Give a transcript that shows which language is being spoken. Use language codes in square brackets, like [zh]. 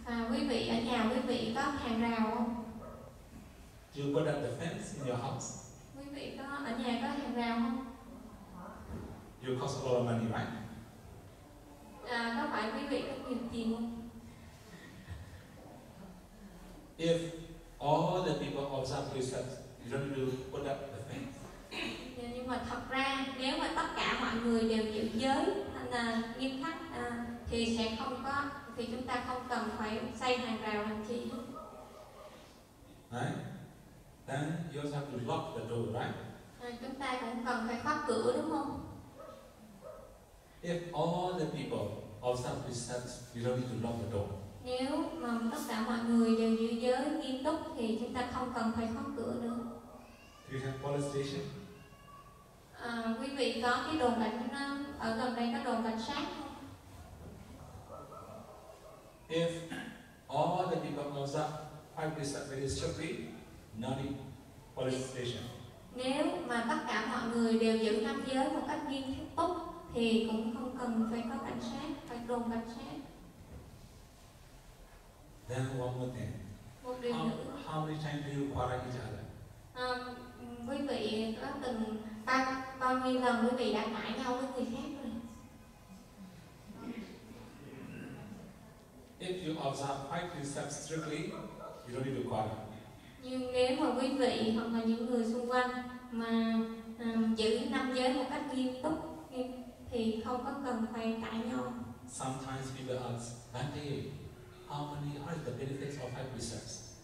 [vi] Quý vị ở nhà quý vị có hàng rào không? [en] Do you put up the fence in your house? [vi] Quý vị có ở nhà có hàng rào không? [en] You cost a lot of money, right? [vi] Có phải quý vị có nhiều tiền không? [en] If all the people of some precepts don't do put up the fence. [vi] Nhưng mà thật ra nếu mà tất cả mọi người đều giữ giới thành nghiêm khắc thì sẽ không có, thì chúng ta không cần phải xây hàng rào làm chi. [en] Right? Then you also have to lock the door, right? [vi] Chúng ta cũng cần phải khóa cửa, đúng không? [en] If all the people of some precepts don't need to lock the door. [vi] Nếu mà tất cả mọi người đều giữ giới nghiêm túc thì chúng ta không cần phải khóa cửa nữa. [en] Do you have police station? [vi] Quý vị có cái đồn cảnh sát ở gần đây, có đồn cảnh sát không? [en] If all the people knows that five precepts very strictly, no need police station. [vi] Nếu mà tất cả mọi người đều giữ năm giới một cách nghiêm túc thì cũng không cần phải có cảnh sát, phải đồn cảnh sát. [en] Then one more thing. How many times do you quarrel each other? [vi] Quý vị có từng bao nhiêu lần quý vị đã cãi nhau với người khác rồi? [en] If you observe five precepts strictly, you don't need to quarrel. [vi] Nhưng nếu mà quý vị hoặc là những người xung quanh mà giữ năm giới một cách nghiêm túc thì không có cần phải cãi nhau. [en] Sometimes people ask, "Bandi, how many are the benefits of five precepts?"